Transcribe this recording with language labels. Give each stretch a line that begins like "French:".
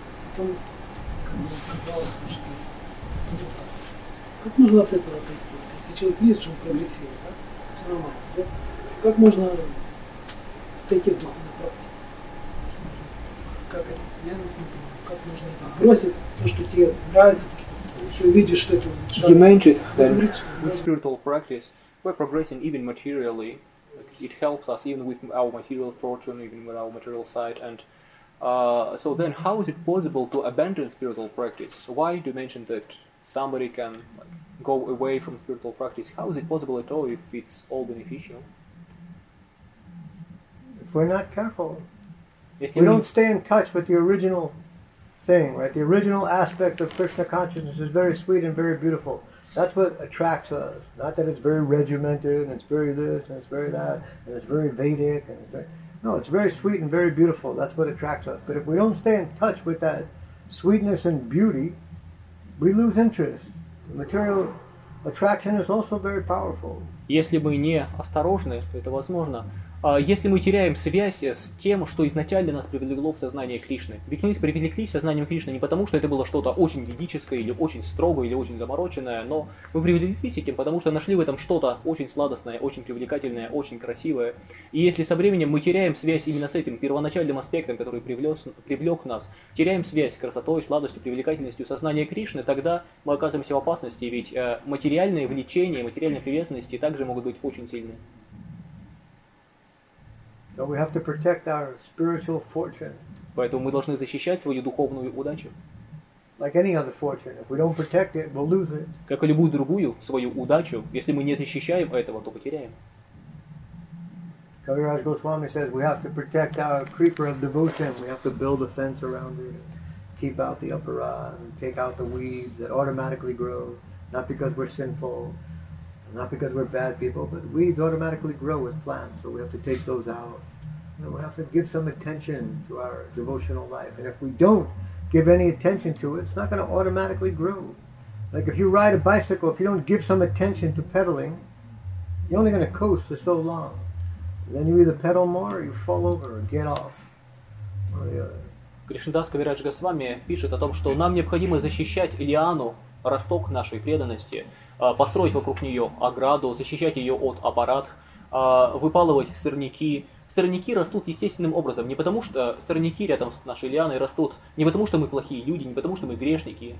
Russian: Потом, как мне казалось, что как можно от этого отойти? Если человек видит, что он прогрессирует, да? Все нормально, да? Как можно отойти в духовную практику? Как это? Я не знаю, как можно это бросить, то, что тебе нравится, то, что ты видишь, что это лучше.
English: You mentioned that with spiritual practice, we're progressing even materially. It helps us even with our material fortune, even with our material sight. And so then how is it possible to abandon spiritual practice? Why do you mention that somebody can go away from spiritual practice? How is it possible at all if it's all beneficial? If we're not careful. If we don't stay in touch with the original thing, right? The original aspect of Krishna consciousness is very sweet and very beautiful. That's what attracts us. Not that it's very regimented, and it's very this, and it's very that, and it's very Vedic, and it's very... No, it's very sweet and very beautiful. That's what attracts us. But if we don't stay in touch with that sweetness and beauty, we lose interest. The material attraction is also very powerful.
Russian: Если мы не осторожны, то это возможно. Если мы теряем связь с тем, что изначально нас привлекло в сознание Кришны. Ведь мы привлеклись в сознание Кришны не потому, что это было что-то очень ведическое, или очень строгое, или очень замороченное, но мы привлеклись этим, потому что нашли в этом что-то очень сладостное, очень привлекательное, очень красивое. И если со временем мы теряем связь именно с этим первоначальным аспектом, который привлек нас, теряем связь с красотой, сладостью, привлекательностью сознания Кришны, тогда мы оказываемся в опасности, ведь материальные влечения, материальные привязанности также могут быть очень сильны.
English: So we have to protect our spiritual fortune.
Russian: Поэтому мы должны защищать свою духовную удачу.
English: Like any other fortune, if we don't protect it, we'll lose it.
Russian: Как и любую другую свою удачу, если мы не защищаем этого, то потеряем.
English: Kaviraj Goswami says we have to protect our creeper of devotion. We have to build a fence around it, keep out the aparas, take out the weeds that automatically grow, not because we're sinful. Not because we're bad people, but weeds automatically grow with plants, so we have to take those out. You know, we have to give some attention to our devotional life. And if we don't give any attention to it, it's not going to automatically grow. Like if you ride a bicycle, if you don't give some attention to pedaling, you're only going to coast for so long. And then you either pedal more or you fall over or get off.
Russian: Кришнадас Кавирадж Госвами пишет о том, что нам необходимо защищать лиану, росток нашей преданности, построить вокруг нее ограду, защищать ее от аппарат, выпалывать сорняки. Сорняки растут естественным образом, не потому что сорняки рядом с нашей лианой растут, не потому что мы плохие люди, не потому что мы грешники.